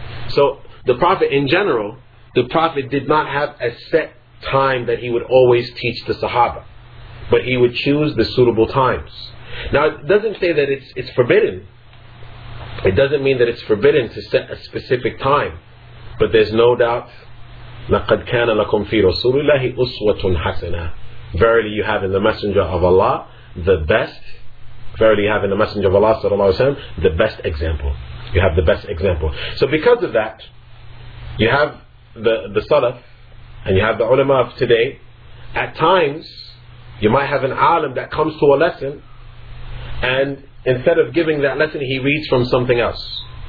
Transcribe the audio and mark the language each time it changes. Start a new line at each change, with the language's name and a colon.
English: So the Prophet in general, the Prophet did not have a set time that he would always teach the Sahaba. But he would choose the suitable times. Now it doesn't say that it's forbidden. It doesn't mean that it's forbidden to set a specific time. But there's no doubt,
Arabic: لَقَدْ كَانَ لَكُمْ فِي رَسُولِ اللَّهِ أُسْوَةٌ حَسَنًا.
English: Verily you have in the Messenger of Allah the best. Verily you have in the Messenger of Allah sallallahu alaihi wasallam the best example. You have the best example. So because of that, you have the Salaf and you have the ulama of today. At times you might have an alim that comes to a lesson and instead of giving that lesson, he reads from something else.